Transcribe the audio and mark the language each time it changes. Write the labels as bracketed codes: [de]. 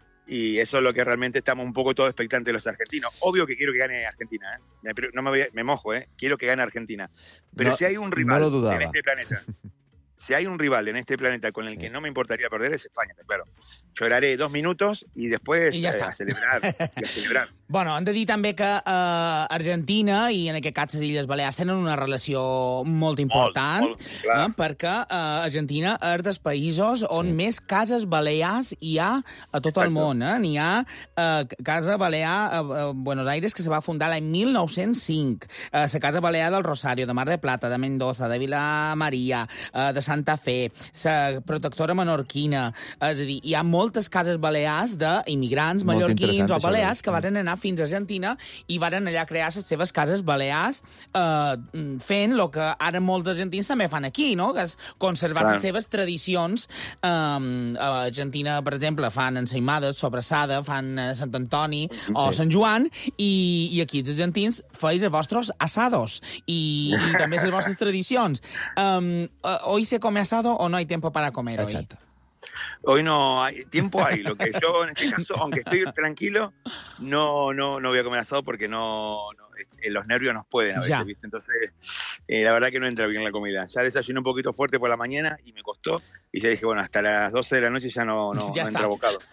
[es] Y eso es lo que realmente estamos un poco todos expectantes los argentinos. Obvio que quiero que gane Argentina, ¿eh? Pero no me mojo, ¿eh? Quiero que gane Argentina. Pero no, si hay un rival en este planeta, si hay un rival en este planeta con el que no me importaría perder, es España, claro. Lloraré 2 minutos y después y ya está. A celebrar. [ca] Bueno, han de dir també que Argentina i en aquest cas les Illes Balears tenen una relació molt important, molt, no? Perquè Argentina és dels països on més cases balears hi ha a tot el món. N'hi ha Casa Balear a Buenos Aires, que se va fundar l'any 1905. La Casa Balear del Rosario, de Mar de Plata, de Mendoza, de Vila Maria, de Santa Fe, la Protectora Menorquina. És a dir, hi ha moltes cases balears d'immigrants mallorquins o balears que varen anar fins a Argentina i varen allà crear les seves cases balears fent el que ara molts argentins també fan aquí, no? Que és conservar les seves tradicions. A Argentina, per exemple, fan ensaïmades, sobrassada, fan Sant Antoni o Sant Joan, i aquí els argentins feis els vostres asados i també les vostres tradicions. [es] Hoy se come asado o no hay tiempo para comer hoy. [ca] Exacte. [es] Hoy no hay tiempo, hay lo que yo en este caso, aunque estoy tranquilo, no voy a comer asado porque no los nervios nos pueden a veces, ¿viste? Entonces la verdad que no entra bien la comida. Ya desayuné un poquito fuerte por la mañana y me costó, y ya dije, bueno, hasta las 12 de la noche ya no entra bocado.